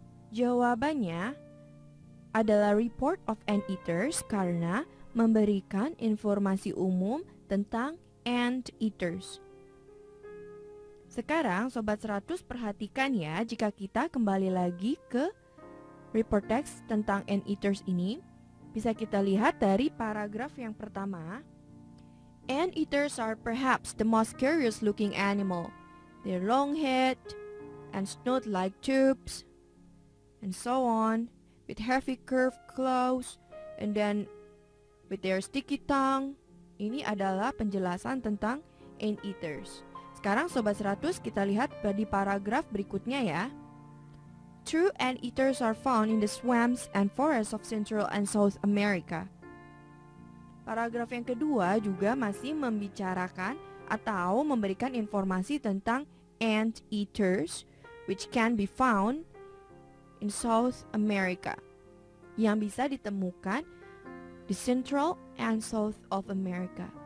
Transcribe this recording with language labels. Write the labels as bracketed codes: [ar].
[id] Jawabannya adalah report of anteaters karena memberikan informasi umum tentang anteaters. Sekarang Sobat 100 perhatikan ya, jika kita kembali lagi ke report text tentang anteaters ini, bisa kita lihat dari paragraf yang pertama. [en] Anteaters are perhaps the most curious looking animal. Their long head and snout like tubes and so on, with heavy curved claws and then with their sticky tongue. [id] Ini adalah penjelasan tentang anteaters. Sekarang Sobat 100, kita lihat di paragraf berikutnya ya. [en] True anteaters are found in the swamps and forests of Central and South America. [id] Paragraf yang kedua juga masih membicarakan atau memberikan informasi tentang anteaters, [en] which can be found in South America, [id] yang bisa ditemukan [en] the Central and South of America.